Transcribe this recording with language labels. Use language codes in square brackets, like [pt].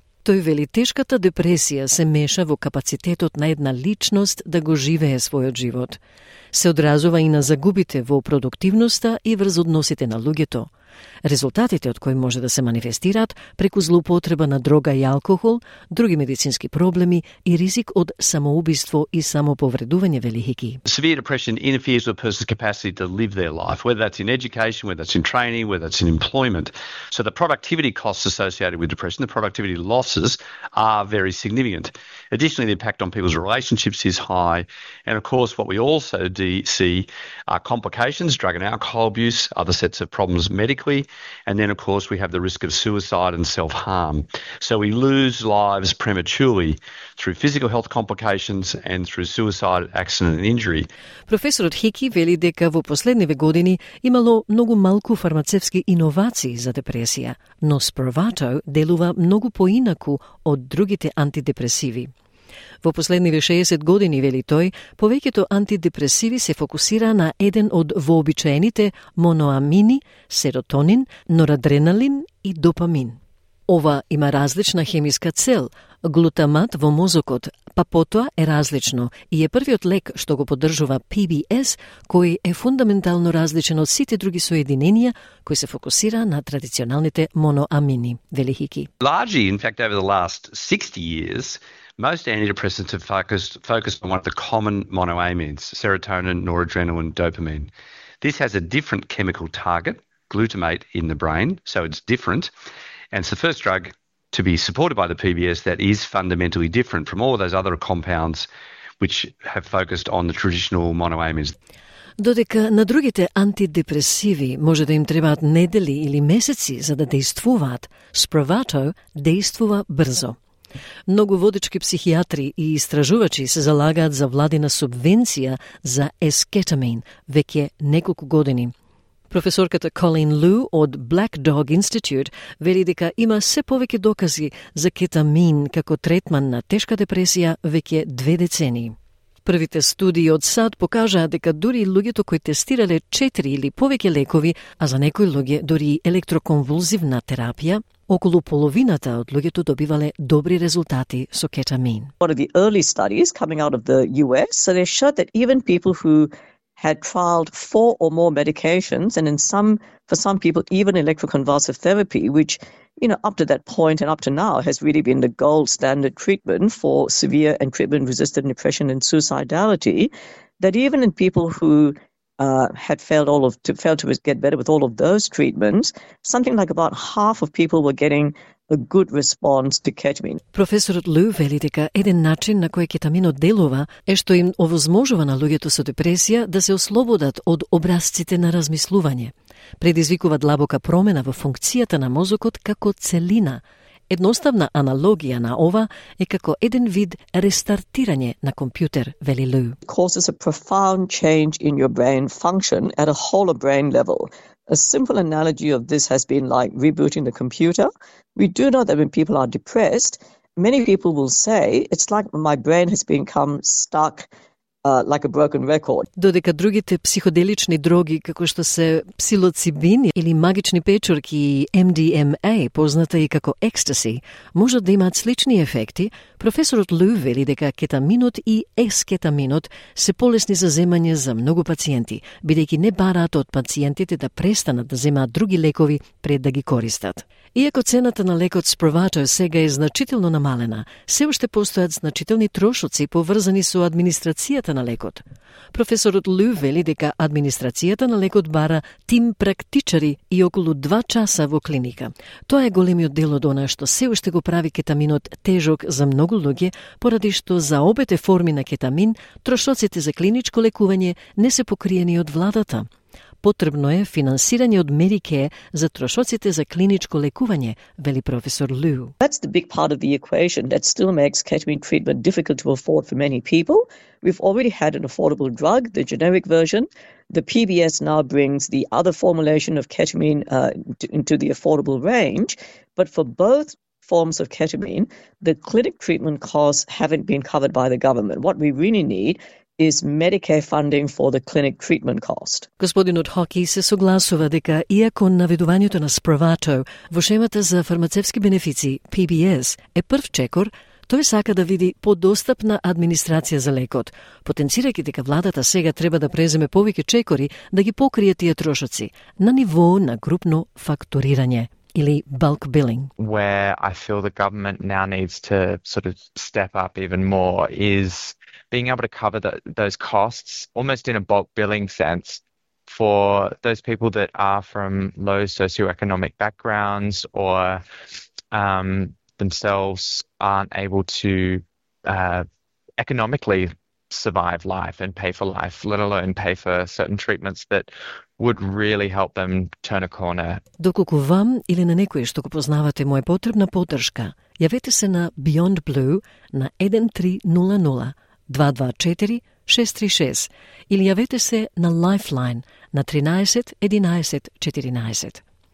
[mk] Тој вели тешката депресија се меша во капацитетот на една личност да го живее својот живот. Се одразува и на загубите во продуктивноста и врз односите на луѓето. Резултатите од кои може да се манифестираат преку злоупотреба на дрога и алкохол, други медицински проблеми и ризик од самоубиство и самоповредување, вели Хики. [en] Severe depression interferes with a person's capacity to live their life, whether that's in education, whether that's in training, whether that's in employment. So the productivity costs associated with depression, the productivity losses are very significant. Additionally, the impact on people's relationships is high, and of course what we also see are complications, drug and alcohol abuse, other sets of problems medically, and then of course we have the risk of suicide and self-harm. So we lose lives prematurely through physical health complications and through suicide, accident and injury. [mk] Професорот Хики вели дека во последниве години имало многу малку фармацевски иновации за депресија, но Спровато делува многу поинаку од другите антидепресиви. Во последниве 60 години, вели тој, повеќето антидепресиви се фокусира на еден од вообичаените моноамини, серотонин, норадреналин и допамин. Ова има различна хемиска цел, глутамат во мозокот, па потоа е различно и е првиот лек што го поддржува PBS, кој е фундаментално различен од сите други соединенија кои се фокусира на традиционалните моноамини, вели Хики. [en] Largely, in fact, over the last 60 years, most antidepressants have focused on one of the common monoamines, serotonin, noradrenaline, dopamine. This has a different chemical target, glutamate, in the brain, so it's different. And it's the first drug to be supported by the PBS that is fundamentally different from all of those other compounds which have focused on the traditional monoamines. [mk] Додека на другите антидепресиви може да им требаат недели или месеци за да действуваат, Спровато действува брзо. Многу водечки психијатри и истражувачи се залагаат за владина субвенција за ескетамин веќе неколку години. Професорката Колин Лу од Black Dog Institute вели дека има се повеќе докази за кетамин како третман на тешка депресија веќе две децени. Првите студии од САД покажаа дека дури луѓето кои тестирале 4 или повеќе лекови, а за некои луѓе дури електроконвулзивна терапија, околу половината од луѓето добивале добри резултати со кетамин. [en] One of the early studies coming out of the US, so they showed that even people who had trialed 4 or more medications, and for some people even electroconvulsive therapy, which, you know, up to that point and up to now has really been the gold standard treatment for severe and treatment-resistant depression and suicidality, that even in people who had failed all of to fail to get better with all of those treatments, something like about half of people were getting a good response to ketamine. [mk] Професорот Лу вели дека еден начин на кој кетаминот делува е што им овозможува на луѓето со депресија да се ослободат од образците на размислување. Предизвикува длабока промена во функцијата на мозокот како целина. Едноставна аналогија на ова е како еден вид рестартирање на компјутер, вели Лу. [en] Causes a profound change in your brain function at a whole of brain level. A simple analogy of this has been like rebooting the computer. We do know that when people are depressed, many people will say it's like my brain has become stuck like a broken record. [mk] Додека другите психоделични дроги како што се псилоцибин или магични печорки MDMA, позната и како екстаси, можат да имаат слични ефекти, професорот Лу вели дека кетаминот и ескетаминот се полесни за земање за многу пациенти, бидејќи не бараат од пациентите да престанат да земаат други лекови пред да ги користат. Иако цената на лекот Спровато сега е значително намалена, се уште постојат значителни трошоци поврзани со администрацијата на лекот. Професорот Лу вели дека администрацијата на лекот бара тим практичари и околу 2 часа во клиника. Тоа е големиот дел од она што се уште го прави кетаминот тежок за многу луѓе, поради што за обете форми на кетамин трошоците за клиничко лекување не се покриени од владата. Потребно е финансирање од Medicare за трошоците за клиничко лекување, вели професор Лу. [en] That's the big part of the equation that still makes ketamine treatment difficult to afford for many people. We've already had an affordable drug, the generic version. The PBS now brings the other formulation of ketamine into the affordable range, but for both forms of ketamine, the clinic treatment costs haven't been covered by the government. What we really need is Medicare funding for the clinic treatment cost. [mk] Господинот Хоки се согласува дека иако наведувањето на Спровато во шемата за фармацевски бенефици PBS е прв чекор, тој сака да види подостапна администрација за лекот, потенцирајќи дека владата сега треба да преземе повеќе чекори да ги покрие тие трошоци на ниво на групно фактурирање или bulk billing. [en] Where I feel the government now needs to sort of step up even more is being able to cover those costs almost in a bulk billing sense for those people that are from low socioeconomic backgrounds or themselves aren't able to economically survive life and pay for life, let alone pay for certain treatments that would really help them turn a corner. [mk] Доколку вам или на некој што го познавате му е потребна поддршка, јавете се на Beyond Blue на 1300-224-636 или јавете се на Lifeline на 13-11-14.